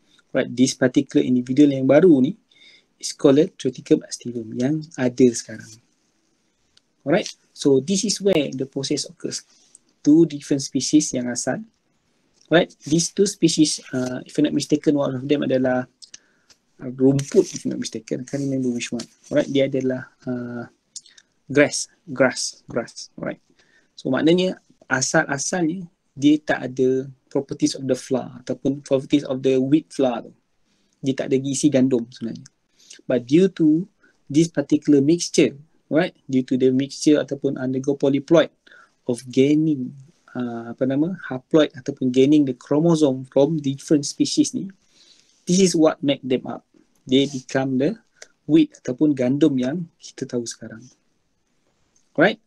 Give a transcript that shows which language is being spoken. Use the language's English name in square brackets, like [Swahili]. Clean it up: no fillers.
[English] Right, this particular individual [Malay] yang baru ni [English] is called triticum astivum [Malay] yang ada sekarang. [English] Alright, so this is where the process occurs. Two different species [Malay] yang asal. [English] Right, these two species, if I'm not mistaken, one of them [Malay] adalah rumput, [English] if I'm not mistaken. I can't remember which one. [Malay] Alright, dia adalah grass. [English] Right, so [Malay] maknanya asal-asalnya dia tak ada [English] properties of the flour ataupun properties of the wheat flour tu. [Malay] Dia tak ada gizi gandum sebenarnya. [English] But due to this particular mixture, right, due to the mixture ataupun undergo polyploid of gaining haploid ataupun gaining the chromosome from different species ni, this is what make them up. They become the wheat [Malay] ataupun gandum yang kita tahu sekarang. Right?